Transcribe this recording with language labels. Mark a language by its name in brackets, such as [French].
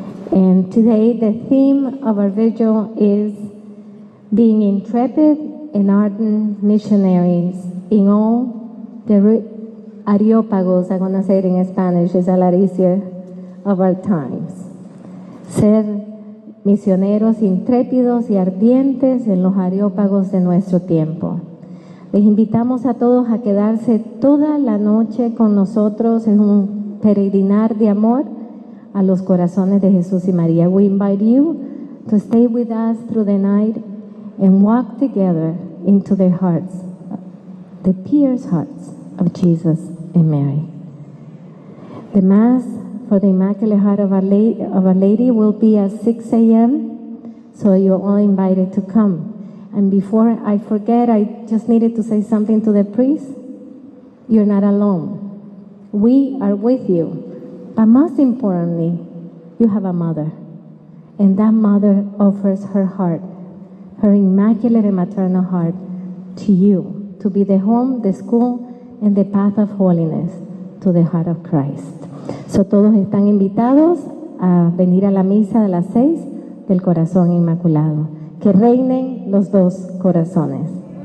[English] And today the theme of our vigil is being intrepid and ardent missionaries in all the areópagos, I'm going to say it in Spanish, it's a lot easier, of our times. [Spanish] Ser misioneros intrépidos y ardientes en los areópagos de nuestro tiempo. Les invitamos a todos a quedarse toda la noche con nosotros en un peregrinar de amor a los corazones de Jesús y María. [English] We invite you to stay with us through the night and walk together into their hearts, the pierced hearts of Jesus and Mary. The Mass for the Immaculate Heart of Our Lady will be at 6 a.m., so you're all invited to come. And before I forget, I just needed to say something to the priest. You're not alone. We are with you. But most importantly, you have a mother, and that mother offers her heart, her immaculate and maternal heart, to you, to be the home, the school, and the path of holiness to the heart of Christ. [Spanish] So todos están invitados a venir a la misa de las 6 del corazón inmaculado. Que reinen los dos corazones.